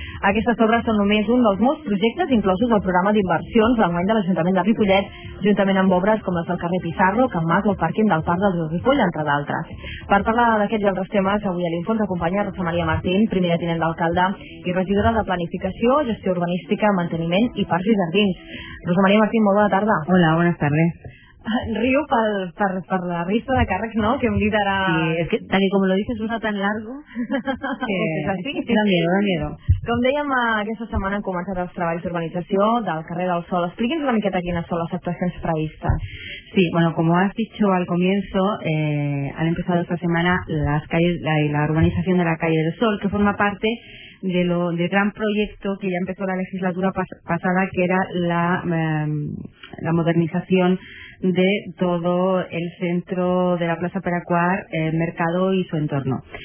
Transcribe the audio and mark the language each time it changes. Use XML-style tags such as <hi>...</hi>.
<ca>Aquestes obres són només un dels molts projectes inclosos al programa d'inversions d'enguany de l'Ajuntament de Ripollet, juntament amb obres com les del carrer Pissarro, Can Mas o el pàrquing del Parc del Ripoll, entre d'altres. Per parlar d'aquests i altres temes, avui a l'Info ens acompanya Rosa Maria Martín, primera tinent d'alcalde i regidora de Planificació, Gestió Urbanística, Manteniment i Parcs i Jardins. Rosa Maria Martín, molt bona tarda. Hola, bona tarda. Río per la resta de càrrecs, no?, que hem dit ara...</ca> <es>Sí, es que tal y como lo dices, usa tan largo... Que es así. Da miedo, da miedo.</es> <ca>Com dèiem, aquesta setmana han començat els treballs d'urbanització del carrer del Sol. Expliqui'ns una miqueta quines són les actuacions previstes.</ca> <es>Sí, bueno, como has dicho al comienzo, han empezado esta semana las calles, la urbanización de la calle del Sol, que forma parte del gran proyecto que ya empezó la legislatura pasada, que era la modernización de todo el centro de la Plaza Peracuar, el mercado y su entorno.</es>